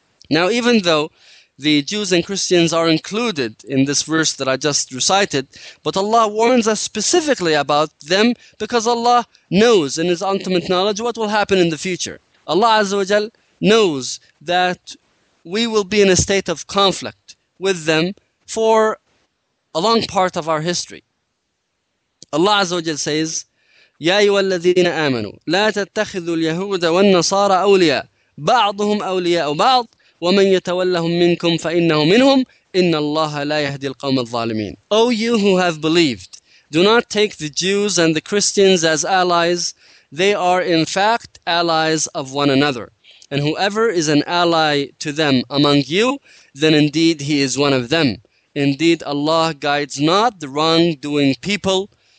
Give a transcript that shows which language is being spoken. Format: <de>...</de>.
<en>Now, even though the Jews and Christians are included in this verse that I just recited, but Allah warns us specifically about them because Allah knows in His ultimate knowledge what will happen in the future. Allah Azza wa Jal knows that we will be in a state of conflict with them for a long part of our history. Allah Azza wa Jal says,</en> <ar>يا أيها الذين آمنوا لا تتخذوا اليهود والنصارى أولياء بعضهم أولياء بعض ومن يتولهم منكم فإنه منهم إن الله لا يهدي القوم الظالمين.</ar> <en>O you who have believed, do not take the Jews and the Christians as allies. They are in fact allies of one another. And whoever is an ally to them among you, then indeed he is one of them. Indeed, Allah guides not the wrongdoing people.</en>